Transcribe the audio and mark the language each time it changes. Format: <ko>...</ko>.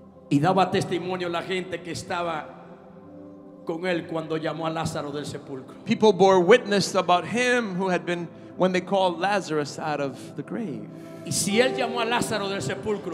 <es>Y daba testimonio la gente que estaba con él cuando llamó a Lázaro del sepulcro.</es> <en>People bore witness about him who had been when they called Lazarus out of the grave.</en> <es>Y si él llamó a Lázaro del sepulcro,</es>